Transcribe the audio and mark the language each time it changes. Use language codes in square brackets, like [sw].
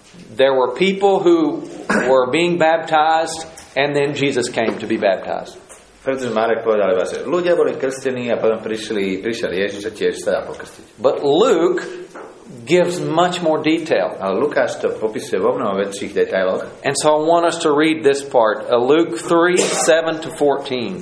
[en] there were people who were being baptized, and then Jesus came to be baptized. [sk] Pretože Marek povedal, že ľudia boli krstení a potom prišiel Ježiš a tiež sa dá pokrstiť. [en] But Luke gives much more detail. [sk] A Lukáš to popisuje vo mnoho väčších detailoch. [en] And so I want us to read this part, Luke 3:7-14.